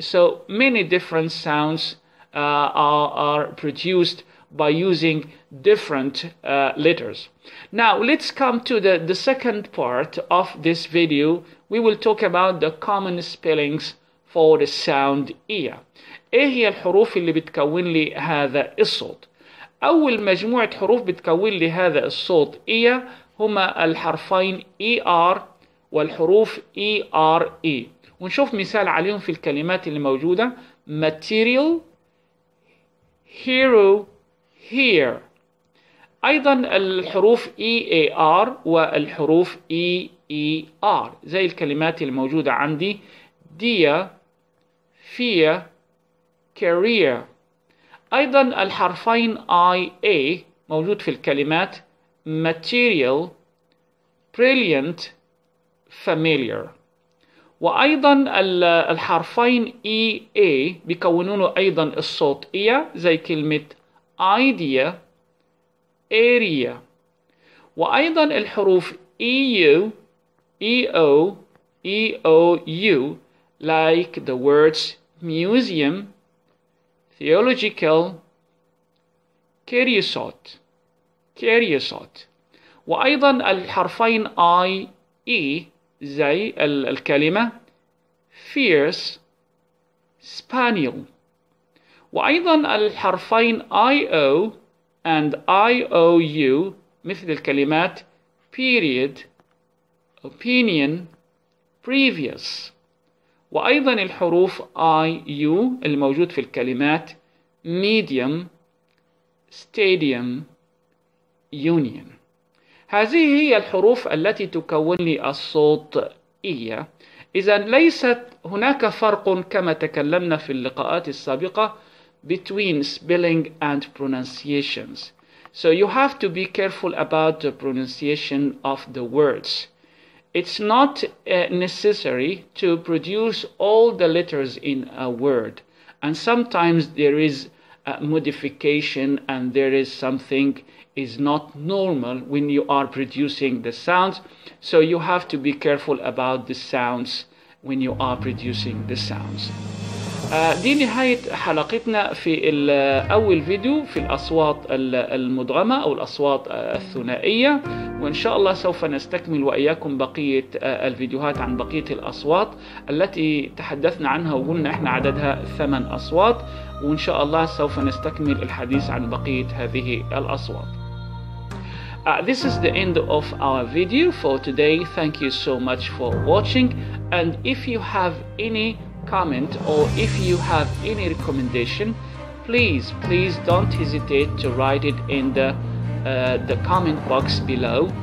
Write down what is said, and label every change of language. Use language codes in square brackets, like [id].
[en] So many different sounds are produced by using different letters. Now let's come to the second part of this video. We will talk about the common spellings for the sound ear. [ar] إيه هي الحروف اللي بتكون لي هذا الصوت؟ أول مجموعة حروف بتكون لي هذا الصوت إيه هما الحرفين ER والحروف ERE. ونشوف مثال عليهم في الكلمات اللي موجودة. [en] Material, Hero, Hear. [ar] أيضا الحروف EAR والحروف EER زي الكلمات اللي موجودة عندي. [en] Dear, Fear, Career. [ar] أيضا الحرفين IA موجود في الكلمات [en] material, brilliant, familiar. [ar] وأيضا الحرفين EA بيكونون أيضا الصوت إيه زي كلمة [en] idea, area. [ar] وأيضا الحروف [en] EU, EO, EOU like the words museum, theological, كيريوسوت, كيريوسوت. [ar] وأيضا الحرفين I, E زي الكلمة [en] fierce, spaniel. [ar] وأيضا الحرفين I, O and I, O, U مثل الكلمات [en] period, opinion, previous. [ar] وأيضا الحروف I, U الموجود في الكلمات [en] medium, stadium, union. [ar] هذه هي الحروف التي تكون لي الصوت إيا. إذن ليست هناك فرق كما تكلمنا في اللقاءات السابقة [en] between spelling and pronunciations. So you have to be careful about the pronunciation of the words. It's not necessary to produce all the letters in a word. And sometimes there is modification and there is something is not normal when you are producing the sounds, so you have to be careful about the sounds when you are producing the sounds. [ar] دي نهاية حلقتنا في الأول فيديو في الأصوات المدغمة أو الأصوات الثنائية، وإن شاء الله سوف نستكمل وإياكم بقية الفيديوهات عن بقية الأصوات التي تحدثنا عنها وقلنا إحنا عددها 8 أصوات، وإن شاء الله سوف نستكمل الحديث عن بقية هذه الأصوات. [en] This is the end of our video for today. Thank you so much for watching. And if you have any comment or if you have any recommendation, please don't hesitate to write it in the comment box below.